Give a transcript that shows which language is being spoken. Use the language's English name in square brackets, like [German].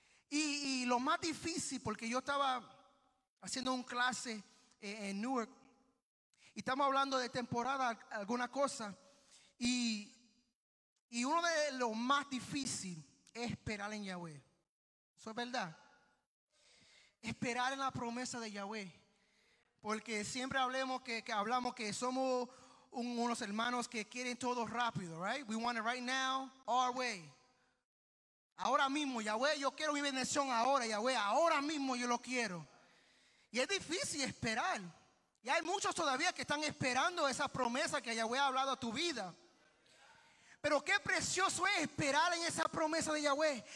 [Spanish] Y lo más difícil, porque yo estaba haciendo un clase en Newark y estamos hablando de temporada alguna cosa, y uno de los más difícil esperar en Yahweh. Eso es verdad. Esperar en la promesa de Yahweh. Porque siempre hablemos que hablamos que somos unos hermanos que quieren todo rápido, right? [English] We want it right now, our way. [Spanish] Ahora mismo, Yahweh, yo quiero mi bendición ahora, Yahweh. Ahora mismo yo lo quiero. Y es difícil esperar. Y hay muchos todavía que están esperando esa promesa que Yahweh ha hablado a tu vida. Pero qué precioso es esperar en esa promesa de Yahweh.